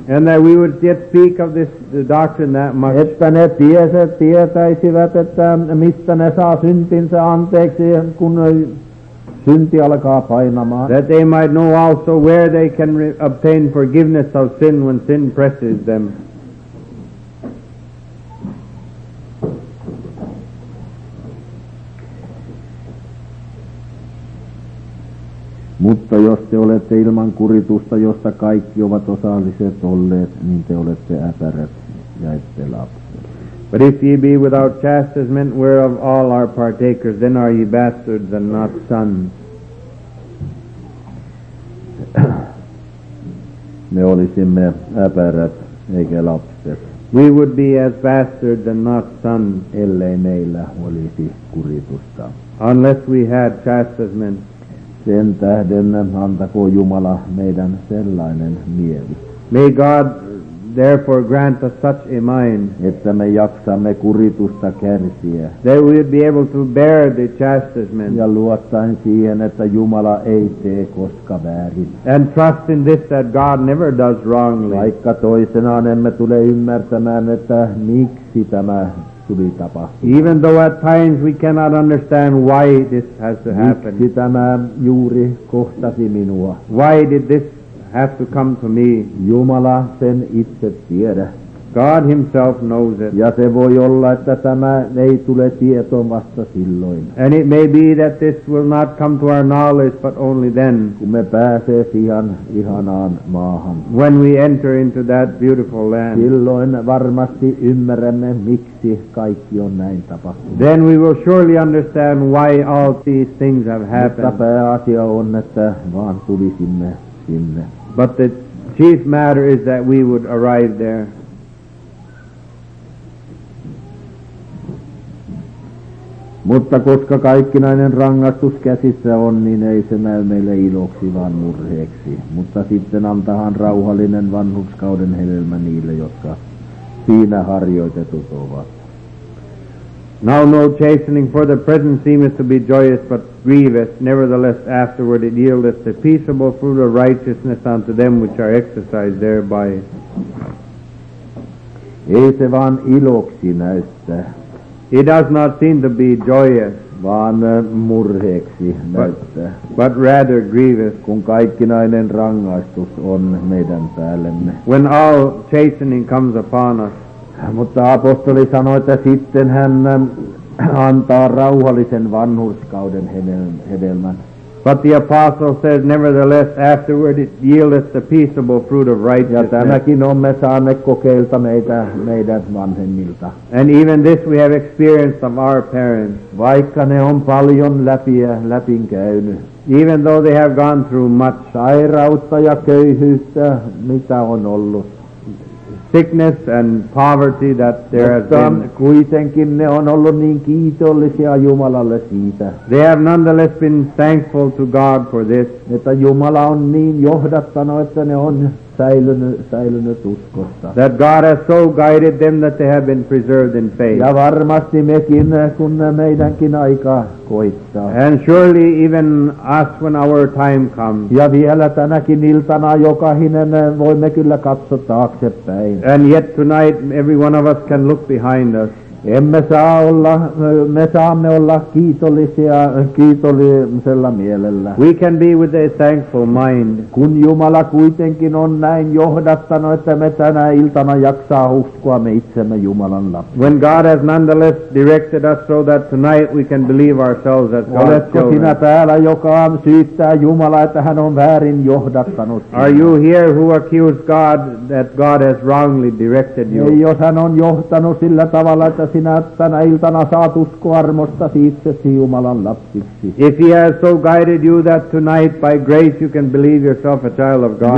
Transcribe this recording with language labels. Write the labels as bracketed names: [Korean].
[English] And that we would yet speak of this doctrine that much. [Finnish] Että ne tietäisivät, että mistä ne saa syntinsä anteeksi, kun synti alkaa painamaan. [English] That they might know also where they can obtain forgiveness of sin when sin presses them. [Finnish] Mutta jos te olette ilman kuritusta, josta kaikki ovat osalliset olleet, niin te olette äpärät ja ette lapset. [English] But if ye be without chastisement, whereof all are partakers, then are ye bastards and not sons. [Finnish] Me olisimme äpärät eikä lapset. [English] We would be as bastards and not sons. [Finnish] Ellei meillä olisi kuritusta. [English] Unless we had chastisement. [Finnish] Sen tähden antakoon Jumala meidän sellainen mieli. [English] May God therefore grant us such a mind, [Finnish] että me jaksamme kuritusta kärsiä, [English] that we would be able to bear the chastisement, [Finnish] ja luottaen siihen, että Jumala ei tee koska väärin, [English] and trust in this that God never does wrongly. [Finnish] Vaikka toisenaan emme tule ymmärtämään, että miksi tämä tuli tapahtumaan. [English] Even though at times we cannot understand why this has to happen. [Finnish] Miksi tämä juuri kohtasi minua? [English] Why did this have to come to me? [Finnish] Jumala sen itse tiedä. [English] God himself knows it. [Finnish] Ja se voi olla, että tämä ei tule tietoon vasta silloin. [English] And it may be that this will not come to our knowledge, but only then. [Finnish] Kun me pääsee siihen ihanaan maahan. [English] When we enter into that beautiful land. [Finnish] Silloin varmasti ymmärrämme, miksi kaikki on näin tapahtunut. [English] Then we will surely understand why all these things have happened. [Finnish] Mutta pääasia on, että vaan tulisimme sinne. [English] But the chief matter is that we would arrive there. [Finnish] Mutta koska kaikkinainen rangaistus käsissä on, niin ei se näy meille iloksi, vaan murheeksi. Mutta sitten antahan rauhallinen vanhurskauden hedelmä niille, jotka siinä harjoitetut ovat. [English] Now no chastening for the present seemeth to be joyous but grievous, nevertheless afterward it yieldeth the peaceable fruit of righteousness unto them which are exercised thereby. [Finnish] Ei se vaan iloksi näyttää. [English] It does not seem to be joyous, [Finnish] vaan murheeksi näyttää, [English] but rather grievous, [Finnish] kun kaikkinainen rangaistus on meidän päällemme. [English] When all chastening comes upon us. [Finnish] Mutta apostoli sanoi, että sitten hän antaa rauhallisen vanhurskauden hedelmän. [English] But the apostle said, nevertheless, afterward it yieldeth the peaceable fruit of righteousness. [Finnish] Ja tämäkin on me saaneet kokeilta meidän vanhemmilta. [English] And even this we have experienced of our parents. [Finnish] Vaikka ne on paljon läpin käynyt. [English] Even though they have gone through much [Finnish] sairautta ja köyhyyttä, mitä on ollut. [English] Sickness and poverty that there has been. [Finnish] Kuitenkin ne on ollut niin kiitollisia Jumalalle siitä. [English] They have nonetheless been thankful to God for this. [Finnish] Että Jumala on niin johdattanut, että ne on säilynyt uskossa. [English] That God has so guided them that they have been preserved in faith. [Finnish] Ja varmasti mekin, kun meidänkin aika koittaa. [English] And surely even us when our time comes. [Finnish] Ja vielä tänäkin iltana jokainen voimme kyllä katsoa taaksepäin. [English] And yet tonight every one of us can look behind us. [Finnish] Me saamme olla kiitollisella mielellä. [English] We can be with a thankful mind. [Finnish] Kun Jumala kuitenkin on näin johdattanut, että me tänä iltana jaksaa uskoa me itsemme Jumalan lapsi. [English] When God has nonetheless directed us so that tonight we can believe ourselves as God's children. [Finnish] Oletko sinä täällä, joka syyttää Jumala, että hän on väärin johdattanut? [English] Are you here who accused God that God has wrongly directed you? [Finnish] Jos hän on johtanut sillä tavalla, että sinä tänä iltana saat uskoa armostasi itsesi Jumalan lapsiksi. [English] If he has so guided you that tonight by grace you can believe yourself a child of God.